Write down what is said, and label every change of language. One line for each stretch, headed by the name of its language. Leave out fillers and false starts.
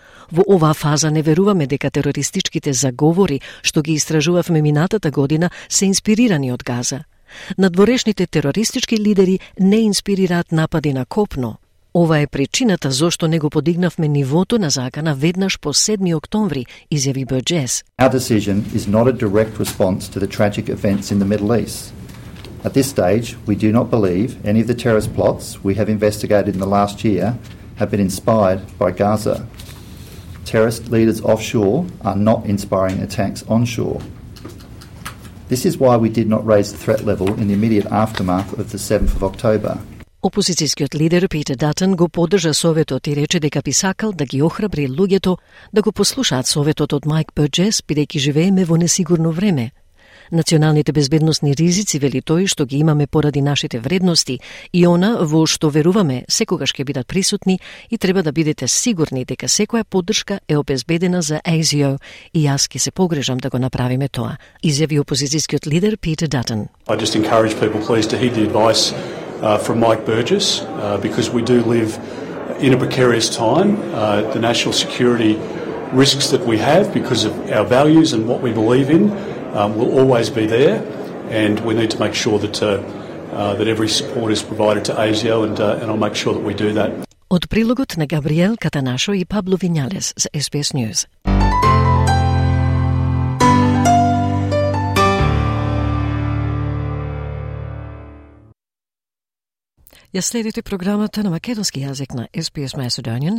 Macedonian: Во оваа фаза не веруваме дека терористичките заговори што ги истражувавме минатата година се инспирирани од Газа. Надворешните терористички лидери не инспирираат напади на копно. Ова е причината зошто не го подигнавме нивото на закана веднаш по 7 октомври, изјави Бърджес.
English: Our decision is not a direct response to the tragic events in the Middle East. At this stage, we do not believe any of the terrorist plots we have investigated in the last year have been inspired by Gaza. Terrorist leaders offshore are not inspiring attacks onshore. This is why we did not raise the threat level in the immediate aftermath of the 7th of October.
Macedonian: Опозицијскиот лидер Питер Датен го подржа советот и рече дека би сакал да ги охрабри луѓето да го послушаат советот од Майк Бърджес, бидејќи живееме во несигурно време. Националните безбедносни ризици, вели тој, што ги имаме поради нашите вредности и она во што веруваме, секогаш ќе бидат присутни и треба да бидете сигурни дека секоја поддршка е обезбедена за ASIO и јас ќе се погрежам да го направиме тоа, изјави опозицијскиот лидер Питер Датен.
English: I just encourage people please to heed the advice from Mike Burgess because we do live in a precarious time. The national security risks that we have because of our values and what we believe in will always be there, and we need to make sure that that every support is provided to ASIO, and I'll make sure that we do that.
Macedonian: Од прилогот на Габриел Катанашо и Пабло Винјалес за SBS News. Ја следите програмата на македонски јазик на SBS Macedonian.